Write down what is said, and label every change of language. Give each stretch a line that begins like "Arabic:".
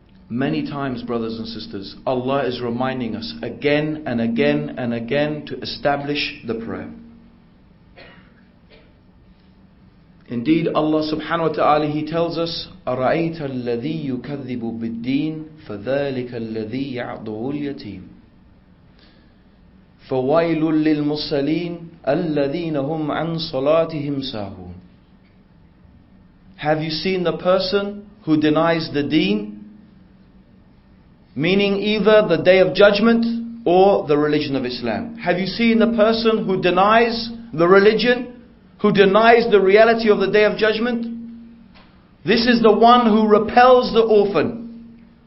English: Many times, brothers and sisters, Allah is reminding us again and again and again to establish the prayer.
Arabic: Indeed, Allah subhanahu wa ta'ala,
English: He tells us,
Arabic: أَرَأَيْتَ الَّذِي يُكَذِّبُ بِالدِّينِ فَذَلِكَ الَّذِي يَعْضُهُ الْيَتِيمِ فَوَيْلٌ لِلْمُصَّلِينَ الَّذِينَ هُمْ عَنْ صَلَاتِهِمْ سَاهُونَ.
English: Have you seen the person who denies the deen? Meaning either the Day of Judgment or the religion of Islam. Have you seen the person who denies the religion? Who denies the reality of the Day of Judgment? This is the one who repels the orphan.